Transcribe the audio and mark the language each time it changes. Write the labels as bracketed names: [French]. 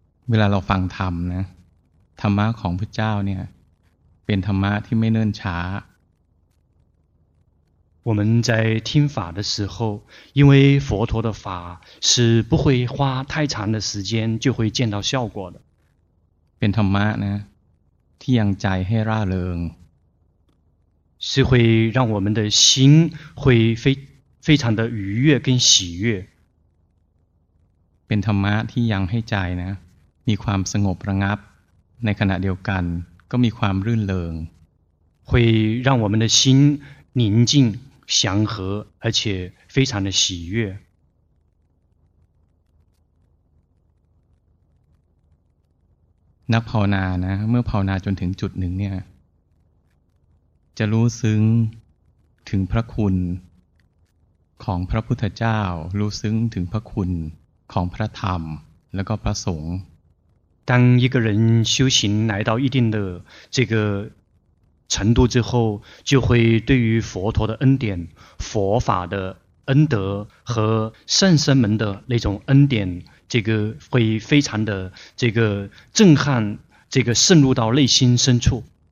[Thai] เวลาเราฟังธรรมนะธรรมะของพระเจ้าเนี่ยเป็นธรรมะที่ไม่เนิ่นช้า [Chinese] 我们在听法的时候因为佛陀的法是不会花太长的时间就会见到效果的 [Thai] เป็นธรรมะนะที่ยังใจให้ร่าเริง [Chinese] 是会让我们的心会非常的愉悦跟喜悦 [Thai] เป็นธรรมะที่ยังให้ใจนะมีความสงบระงับในขณะเดียวกันก็มีความรื่นเริง [Chinese] 会让我们的心宁静祥和而且非常的喜悦 [Thai] นักภาวนานะเมื่อภาวนาจนถึงจุดหนึ่งเนี่ยจะรู้ซึ้งถึงพระคุณของพระพุทธเจ้ารู้ซึ้งถึงพระคุณของพระธรรมแล้วก็พระสงฆ์ [Chinese] 当一个人修行来到一定的这个程度之后就会对于佛陀的恩典佛法的恩德和圣僧们的那种恩典这个会非常的这个震撼这个渗入到内心深处